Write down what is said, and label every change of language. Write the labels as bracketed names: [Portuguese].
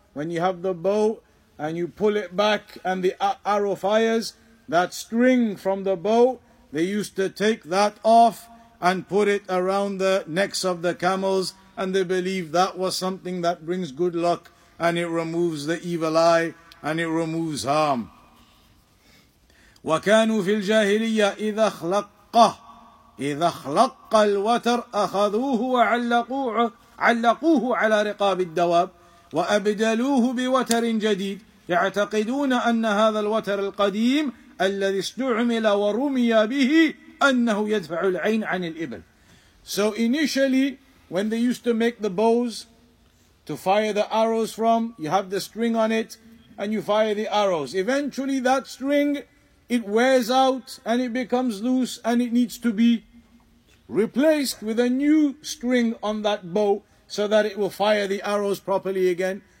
[English] When you have the bow and you pull it back and the arrow fires, that string from the bow, they used to take that off and put it around the necks of the camels, and they believe that was something that brings good luck and it removes the evil eye and it removes harm. [Arabic] وَكَانُوا فِي الْجَاهِلِيَّةِ إِذَا خَلَقَّهُ إِذَا خلق الوتر أخذوه وعلقوه على رقاب الدواب وأبدلوه بوتر جديد يعتقدون أن هذا الوتر القديم الذي استعمل ورمي به أنه يدفع العين عن الإبل. [English] So initially, when they used to make the bows to fire the arrows from, you have the string on it and you fire the arrows. Eventually that string, it wears out and it becomes loose and it needs to be replaced with a new string on that bow so that it will fire the arrows properly again.